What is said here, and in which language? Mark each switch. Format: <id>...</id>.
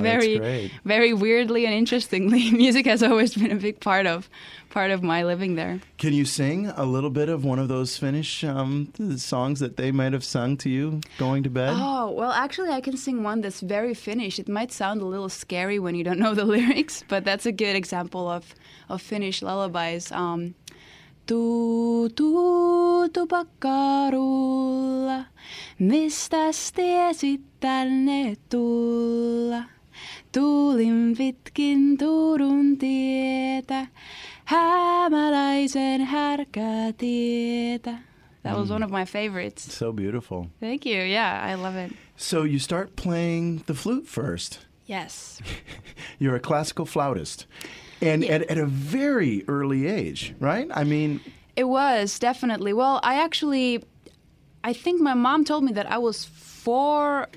<en>very, very weirdly and interestingly. Music has always been a big part of my living there. Can you sing a little bit of one of those Finnish songs that they might have sung to you going to bed? Oh, well, actually, I can sing one that's very Finnish. It might sound a little scary when you don't know the lyrics, but that's a good example of Finnish lullabies.</en> <fi>Tuu tupakkarulla, mistäs tiesit tänne tulla? Tuulin pitkin Turun tietä, hämäläisen härkätietä.</fi> <en>That was one of my favorites. So beautiful. Thank you. Yeah, I love it. So you start playing the flute first. Yes. You're a classical flautist. And yeah. at a very early age, right? I mean, it was, definitely. Well, I think my mom told me that I was four.</en>